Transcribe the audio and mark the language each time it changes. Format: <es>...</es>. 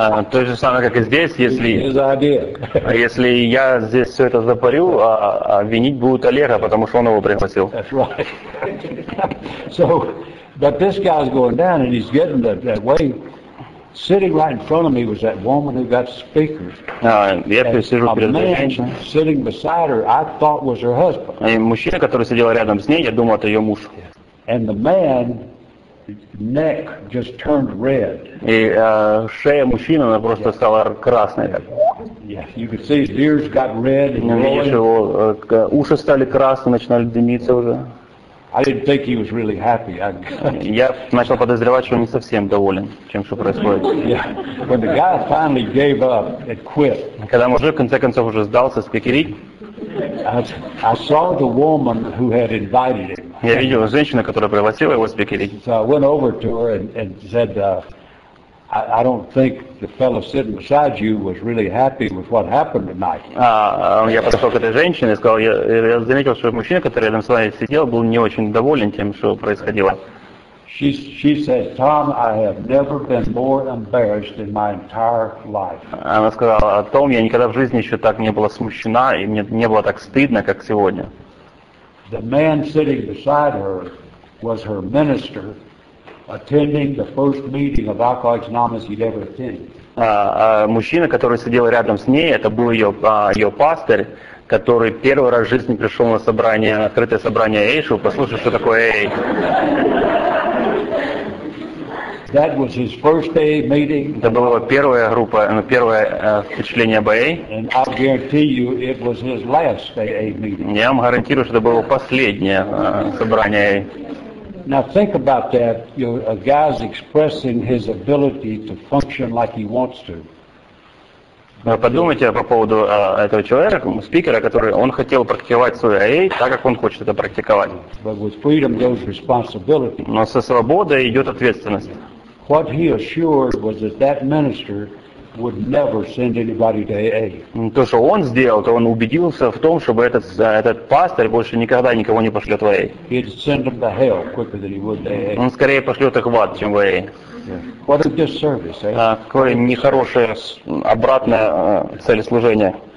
<ru>То же самое, как и здесь, если</ru> <en>his idea.</en> <ru>Если я здесь все это запарю, винить будут Олега, потому что он его пригласил.</ru> <en>That's right. So, but this guy's going down, and he's getting that way. Sitting right in front of me was that woman who got speakers. Sitting beside her, I thought was her husband.</en> <ru>И мужчина, который сидел рядом с ней, я думал, это ее муж.</ru> <en>And the man neck just turned red.</en> <ru>И шея мужчины, она просто стала красной.</ru> <en>Yeah, you could see his ears got red.</en> <ru>Ну, видишь, его уши стали красные, начинали дымиться уже.</ru> <en>I didn't think he was really happy.</en> <ru>Я начал подозревать, что он не совсем доволен тем, что происходит.</ru> <en>Yeah. When the guy finally gave up and quit.</en> <ru>Когда мужик в конце концов уже сдался, спикерить.</ru> <en>I saw the woman who had invited him.</en> <ru>Я видел женщину, которая пригласила его спикерить.</ru> <en>So I went over to her and said, I don't think the fellow sitting beside you was really happy with what happened tonight.</en> <ru>Я подошел к этой женщине и сказал, я заметил, что мужчина, который рядом с вами сидел, был не очень доволен тем, что происходило.</ru> <en>She said, Tom, I have never been more embarrassed in my entire life.</en> <ru>Она сказала, Том, я никогда в жизни еще так не была смущена и мне не было так стыдно, как сегодня.</ru> <en>The man sitting beside her was her minister. Attending the first meeting of Alcoholics Anonymous he'd ever attended.</en> <ru>Мужчина, который сидел рядом с ней, это был ее пастор, который первый раз в жизни пришел на собрание, открытое собрание AA, чтобы послушать, что такое AA.</ru> <en>That was his first AA meeting.</en> <ru>Это была его первая группа, первое впечатление об AA.</ru> <en>And I guarantee you, it was his last AA meeting.</en> <ru>Я вам гарантирую, что это было последнее собрание AA.</ru> <en>Now think about that. You know, a guy's expressing his ability to function like he wants to.</en> <ru>Но подумайте по поводу этого человека, спикера, который он хотел практиковать свой АА, так как он хочет это практиковать.</ru> <en>But with freedom goes responsibility.</en> <ru>Но со свободой идет ответственность.</ru> <en>What he assured was that minister would never send anybody to AA.</en> <ru>То, что он сделал, то он убедился в том, чтобы этот пастор больше никогда никого не пошлет в AA.</ru> <en>He'd send them to hell quicker than he would to AA.</en> <ru>Он скорее пошлет их в ад, чем в AA.</ru> <en>Yeah. What a disservice, eh?</en> <ru>Какое нехорошее обратное цель служения.</ru>